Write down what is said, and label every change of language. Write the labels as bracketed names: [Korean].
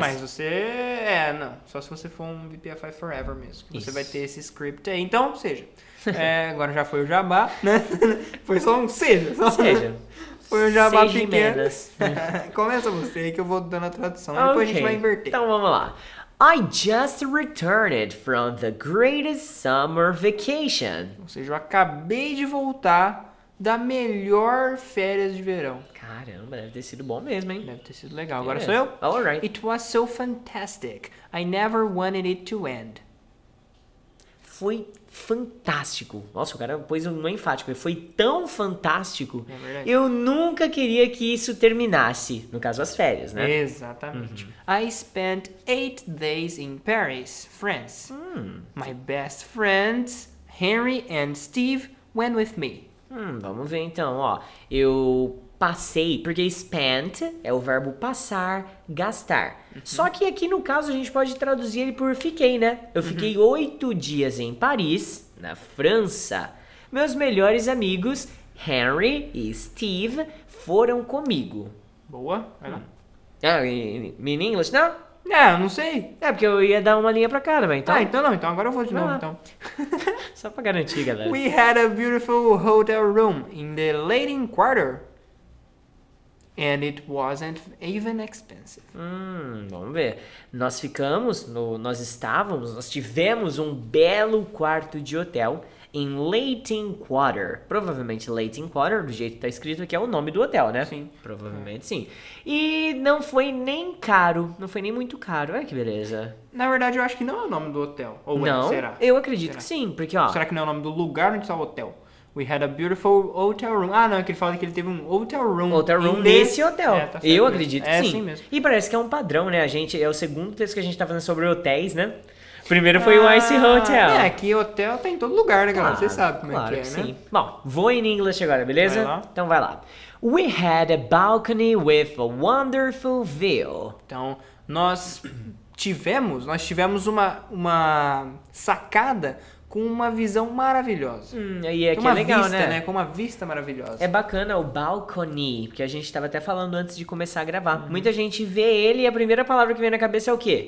[Portuguese] Mas você... É, não. Só se você for um VPFI Forever mesmo. Você isso. Vai ter esse script aí. Então, seja. É, agora já foi o jabá, né? Foi só um seja. Só... Seja. Foi um jabá seja pequeno. Começa você aí que eu vou dando a tradução. Okay. Depois a gente vai inverter. Então, vamos lá. [English] I just returned from the greatest summer vacation. [Portuguese] Ou seja, eu acabei de voltar da melhor férias de verão. Caramba, deve ter sido bom mesmo, hein? Deve ter sido legal. Agora sou eu. [English] All right. It was so fantastic. I never wanted it to end. [Portuguese] Foi fantástico. Nossa, o cara pôs um enfático. Foi tão fantástico. É verdade. Eu nunca queria que isso terminasse. No caso, as férias, né? [English] Exatamente. Uhum. I spent 8 days in Paris, France. My best friends, Henry and Steve, went with me. [Portuguese] Vamos ver então, ó. Eu passei, porque spent é o verbo passar, gastar. Uhum. Só que aqui no caso a gente pode traduzir ele por fiquei, né? Eu fiquei 8 dias em Paris, na França. Meus melhores amigos, Henry e Steve, foram comigo. Boa, vai lá. [English] In English, não? [Portuguese] É, eu não sei. É, porque eu ia dar uma linha pra cada, mas então... Ah, então não, então agora eu vou de novo, então. Só pra garantir, galera. [English] We had a beautiful hotel room in the Latin Quarter. And it wasn't even expensive. [Portuguese] Vamos ver. Nós ficamos, nós tivemos um belo quarto de hotel em Latin Quarter. Provavelmente Latin Quarter, do jeito que tá escrito aqui, é o nome do hotel, né? Sim. Provavelmente sim. E não foi nem caro, não foi nem muito caro. Olha que beleza. Na verdade, eu acho que não é o nome do hotel. Ou não, é, será? Eu acredito será? Que sim, porque ó... Será que não é o nome do lugar onde está o hotel? [English] We had a beautiful hotel room. [Portuguese] Ah, não, é que ele fala que ele teve um hotel room. Hotel room nesse hotel. É, tá certo. Eu acredito que é sim. É assim mesmo. E parece que é um padrão, né? É o segundo texto que a gente tá fazendo sobre hotéis, né? Primeiro foi o Ice Hotel. É, que hotel tá em todo lugar, né, galera? Você sabe como claro é que é, sim. Né? Bom, vou em inglês agora, beleza? Vai lá. Então vai lá. [English] We had a balcony with a wonderful view. [Portuguese] Então, nós tivemos, nós tivemos uma sacada com uma visão maravilhosa. E é que é legal, vista, né? Com uma vista maravilhosa. É bacana o balcony, porque a gente tava até falando antes de começar a gravar. Muita gente vê ele e a primeira palavra que vem na cabeça é o quê?